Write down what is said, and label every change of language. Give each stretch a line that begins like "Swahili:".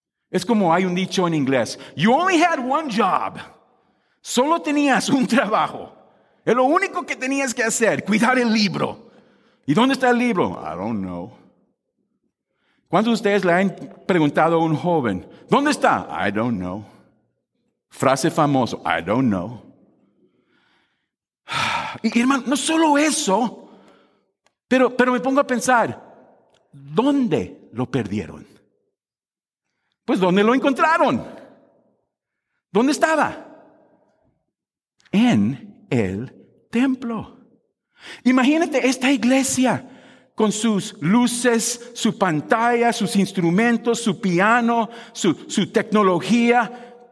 Spanish: Es como hay un dicho en inglés:
English: you only had one job.
Spanish: Solo tenías un trabajo. Es lo único que tenías que hacer, cuidar el libro. ¿Y dónde está el libro?
English: I don't know.
Spanish: ¿Cuántos de ustedes le han preguntado a un joven, dónde está?
English: I don't know.
Spanish: Frase famoso,
English: I don't know.
Spanish: Y hermano, no solo eso, pero me pongo a pensar, ¿dónde lo perdieron? Pues, ¿dónde lo encontraron? ¿Dónde estaba? En el templo. Imagínate esta iglesia con sus luces, su pantalla, sus instrumentos, su piano, su tecnología.